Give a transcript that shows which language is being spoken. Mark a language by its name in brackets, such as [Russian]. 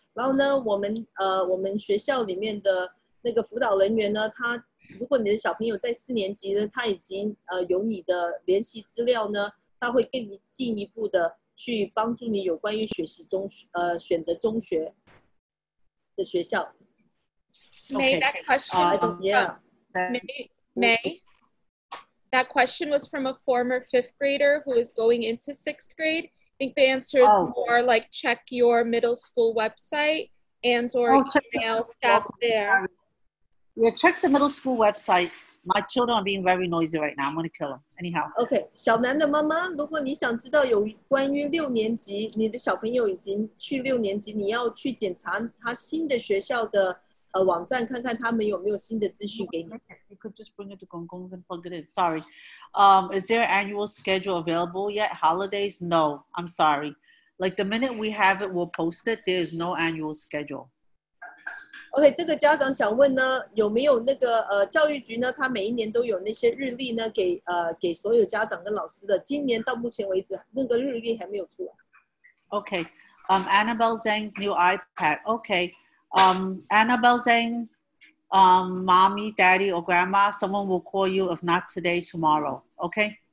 [Chinese] 然后呢，我们学校里面的那个辅导人员呢，他如果你的小朋友在四年级呢，他已经有你的联系资料呢，他会更进一步的。去帮助你有关于学习中学选择中学的学校。 [English] May, that question, May, that question was from a former fifth grader who is going into sixth grade. I think the answer is more like check your middle school website and or email staff there. Yeah, check the middle school website. My children are being very noisy right now. I'm going to kill them. Anyhow. [Chinese] Okay, 小南的妈妈，如果你想知道有关于六年级，你的小朋友已经去六年级，你要去检查他新的学校的网站，看看他们有没有新的资讯给你。 [English] You could just bring it to Gong Gong and plug it in. Sorry. Is there an annual schedule available yet? Holidays? No, I'm sorry. Like the minute we have it, we'll post it. There is no annual schedule. [Chinese] OK， 这个家长想问呢，有没有那个教育局呢？他每一年都有那些日历呢，给所有家长跟老师的。今年到目前为止，那个日历还没有出来。 [English] OK， Annabelle Zhang's new iPad. OK， Annabelle Zhang， mommy, daddy, or grandma, someone will call you if not today, tomorrow. OK。